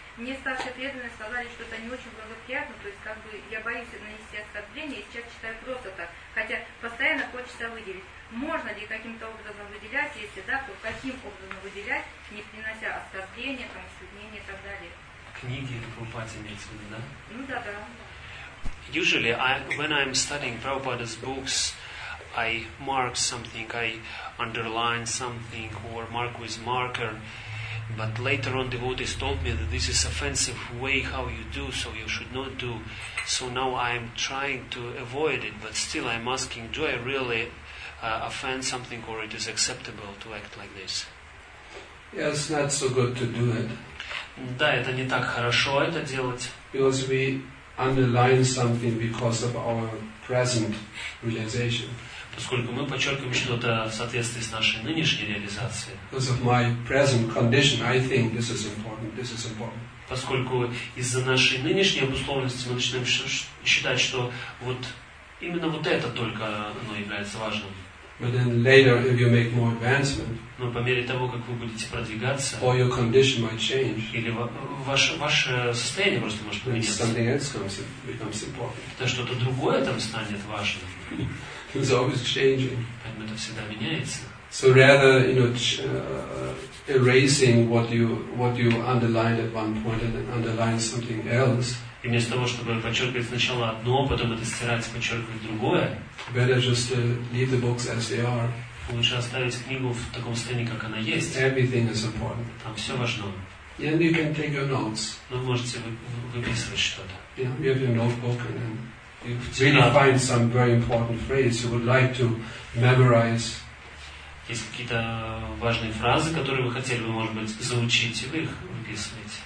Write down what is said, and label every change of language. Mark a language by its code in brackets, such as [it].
[ru] Мне старшие преданные сказали, что это не очень благоприятно, то есть как бы я боюсь нанести оскорбление, если человек читает просто так, хотя постоянно хочется выделить. Можно ли каким-то образом выделять, если да, то каким образом выделять, не принося оскорбления, там, осуждения и так далее? Книги Прабхупады имеется в виду, да? Ну да, да. [en] Usually, when I'm studying Prabhupada's books, I mark something, I underline something, or mark with marker. But later on devotees told me that this is offensive way how you do, so you should not do. So now I'm trying to avoid it, but still I'm asking, do I really offend something, or it is acceptable to act like this? Yes, yeah, not so good to do it. [ru] Да, это не так хорошо это делать. [en] Because we underline something because of our present realization. [ru] Поскольку мы подчеркиваем что-то в соответствии с нашей нынешней реализацией. [en] Because of my present condition, I think this is important. This is important. [ru] Поскольку из-за нашей нынешней обусловленности мы начинаем считать, что вот именно вот это только оно является важным. [en] But then later, if you make more advancement, [ru] но по мере того, как вы будете продвигаться, [en] or your condition might change, [ru] или ваше состояние просто может поменяться, [en] something else comes, becomes important. [ru] То что-то другое там станет важным. [en] It's always changing. [ru] Поэтому это всегда меняется. [en] So rather, you know, erasing what you underlined at one point and then underline something else. [ru] И вместо того, чтобы подчеркивать сначала одно, потом это стирать, подчеркивать другое, [en] better just leave the books as they are. [ru] Лучше оставить книгу в таком состоянии, как она есть. [en] Everything is important. [ru] Там все важно. [en] And you can take your notes. [ru] Вы можете выписывать что-то. [en] Yeah, you have your notebook and then you really find some very important phrase you would like to memorize. [ru] Есть какие-то важные фразы, которые вы хотели бы, может быть, заучить, и вы их выписываете.